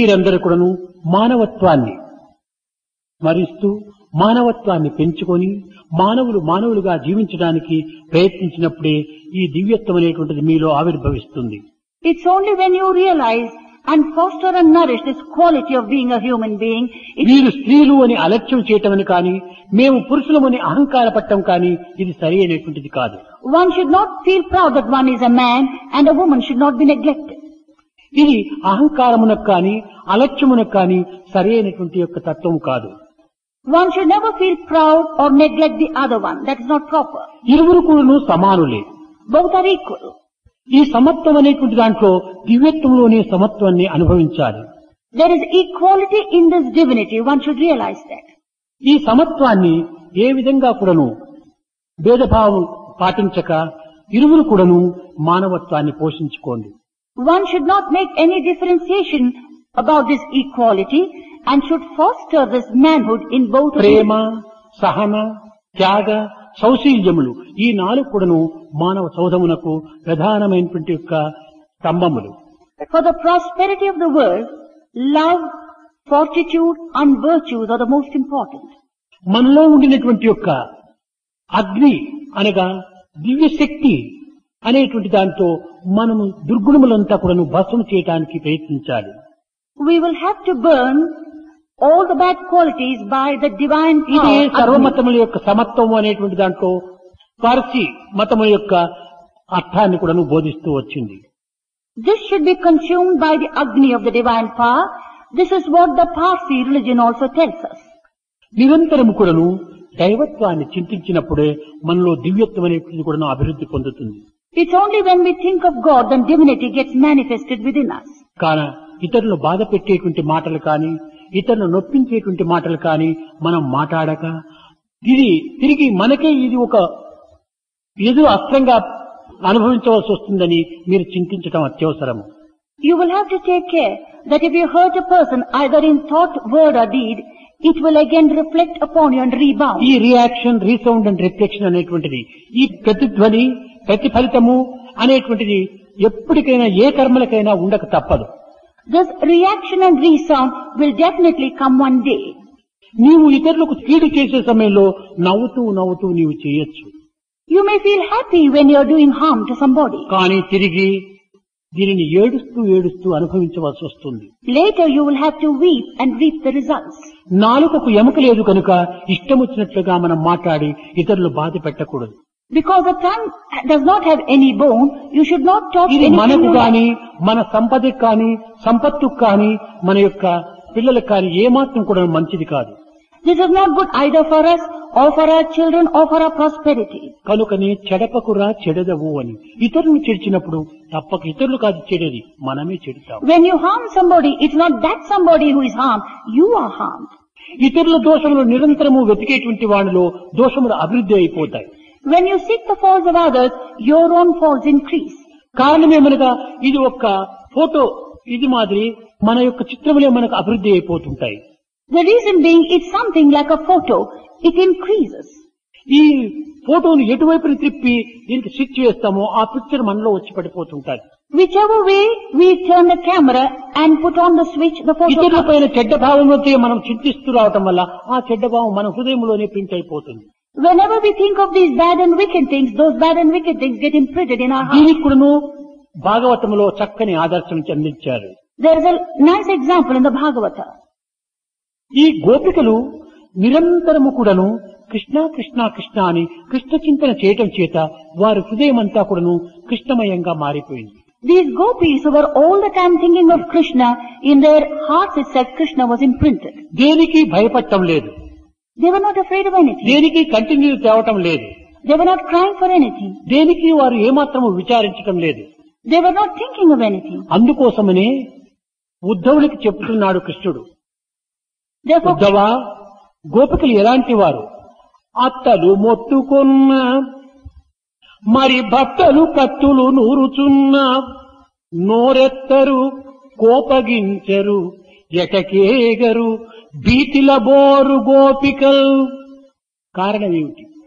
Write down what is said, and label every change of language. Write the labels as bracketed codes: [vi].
[te] మీరందరూ కూడాను మానవత్వాన్ని మరిస్తూ మానవత్వాన్ని పెంచుకొని మానవులు మానవులుగా జీవించడానికి ప్రయత్నించినప్పుడే ఈ దివ్యత్వం అనేటువంటిది మీలో ఆవిర్భవిస్తుంది. [en] It's only when you realise and foster and nourish this quality of being a human being. [te] మీరు స్త్రీలు అని అలక్ష్యం చేయటమని కానీ మేము పురుషులం అని అహంకార పట్టం కానీ ఇది సరి అనేటువంటిది కాదు. [en] One should not feel proud that one is a man and a woman should not be neglected. ఇది అహంకారమునకాని అలక్ష్యమునకాని సరైనటువంటి యొక్క తత్వం కాదు. One should never feel proud or neglect the other one. That is not proper. [te] ఇరువురు కూడాను సమానులే. [en] Both are equal. [te] ఈ సమత్వం అనేటువంటి దాంట్లో దివ్యత్వంలోనే సమత్వాన్ని అనుభవించాలి. [en] There is equality in this divinity. One should realize that. [te] ఈ సమత్వాన్ని ఏ విధంగా కూడాను భేదభావం పాటించక ఇరువురు కూడాను మానవత్వాన్ని పోషించుకోండి. [en] One should not make any differentiation about this equality and should foster this manhood in both [te] ప్రేమ సహన త్యాగ సౌశీల్యములు ఈ నాలుగు కూడాను మానవ సౌధమునకు ప్రధానమైనటువంటి యొక్క స్తంభములు. [en] For the prosperity of the world love fortitude and virtues are the most important. [te] మనలో ఉండినటువంటి యొక్క అగ్ని అనగా దివ్యశక్తి అనేటువంటి దాంతో మనము దుర్గుణములంతా కూడా భస్మం చేయడానికి ప్రయత్నించాలి. [en] We will have to burn all the bad qualities by the divine power. [te] ఇది సర్వమతముల యొక్క సమత్వం అనేటువంటి దాంతో పార్సీ మతము యొక్క అర్థాన్ని కూడా బోధిస్తూ వచ్చింది. [en] This should be consumed by the agni of the divine power. This is what the Parsi religion also tells us. [te] నిరంతరము కూడాను దైవత్వాన్ని చింతించినప్పుడే మనలో దివ్యత్వం అనేటువంటిది కూడా అభివృద్ధి పొందుతుంది. [en] It's only when we think of God then divinity gets manifested with in us. [te] కాన ఇతరులు బాధ పెట్టేటువంటి మాటలు కానీ ఇతరులు నొప్పించేటువంటి మాటలు కానీ మనం మాట్లాడక ఇది తిరిగి మనకే ఇది ఒక ఎదురు అస్త్రంగా అనుభవించవలసి వస్తుందని మీరు చింతించడం అత్యవసరం. [en] You will have to take care that if you hurt a person either in thought word or deed it will again reflect upon you and rebound. [te] ఈ [en] reaction resound and reflection [te] అనేటువంటిది ఈ ప్రతిధ్వని ప్రతిఫలితము అనేటువంటిది ఎప్పటికైనా ఏ కర్మలకైనా ఉండక తప్పదు. [en] This reaction and resound will definitely come one day. [te] నీవు ఇతరులకు కీడు చేసే సమయంలో నవ్వుతూ నవ్వుతూ నీవు చేయొచ్చు. [en] You may feel happy when you are doing harm to somebody. [te] కానీ తిరిగి దీనిని ఏడుస్తూ ఏడుస్తూ అనుభవించవలసి వస్తుంది. [en] Later you will have to weep and reap the results. [te] నాలుకకు ఎముక లేదు కనుక ఇష్టం వచ్చినట్లుగా మనం మాట్లాడి ఇతరులు బాధ పెట్టకూడదు. [en] Because the tongue does not have any bone, you should not talk anything. [te] మనకు గాని మన సంపదకు గాని సంపత్తుకు గాని మన యొక్క పిల్లలకు గాని ఏమాత్రం కూడా మంచిది కాదు. [en] This is not good either for us or for our children or for our prosperity. [te] కనుకని చెడపకురా చెడదవు అని ఇతరులు చెడిచినప్పుడు తప్పక ఇతరులు కాదు చెడేది మనమే చెడతాం. [en] When you harm somebody, it's not that somebody who is harmed, you are harmed. [te] ఇతరుల దోషములు నిరంతరము వెతికేటువంటి వాళ్ళలో దోషములు అభివృద్ధి అయిపోతాయి. [en] When you seek the faults of others, your own faults increase. [te] కారణం ఏమనగా ఇది ఒక ఫోటో ఇది మాదిరి మన యొక్క చిత్రములే మనకు అభివృద్ధి అయిపోతుంటాయి. [en] The reason being, it's something like a photo. It increases. [te] ఈ ఫోటోను ఎటువైపుని తిప్పి దీనికి స్విచ్ చేస్తామో ఆ పిక్చర్ మనలో వచ్చి పడిపోతుంటాయి. [en] Whichever way we turn the camera and put on the switch, the photo [te] ఇతరుల పైన చెడ్డ భావనలతో మనం చింతిస్తూ రావటం వల్ల ఆ చెడ్డ భావం మన హృదయంలోనే పింక్ అయిపోతుంది. [en] Whenever we think of these bad and wicked things, those bad and wicked things get imprinted in our [te] hearts. భాగవతంలో చక్కని ఆదర్శం అందించారు. [en] There is a nice example in the Bhagavata. [te] ఈ గోపికలు నిరంతరము కూడాను కృష్ణ కృష్ణ కృష్ణ అని కృష్ణ చింతన చేయటం చేత వారి హృదయం అంతా కూడాను కృష్ణమయంగా మారిపోయింది. [en] These gopis who were all the time thinking of Krishna, in their hearts it said Krishna was imprinted. [te] దేనికి భయపడటం లేదు. [en] They were not afraid of anything. [te] దేనికి కంటిన్యూ తేవటం లేదు. [en] They were not crying for anything. [te] దేనికి వారు ఏమాత్రము విచారించటం లేదు. [en] They were not thinking of anything. [te] అందుకోసమని ఉద్ధవునికి చెప్తున్నాడు కృష్ణుడు. ఉద్ధవ గోపికలు ఎలాంటి వారు? అత్తలు మొత్తుకున్నా మరి భక్తులు కత్తులు నూరుచున్నా నోరెత్తరు కోపగించరు ఎటకేగరు భీతిల బోరు గోపికలు. కారణమేమిటి?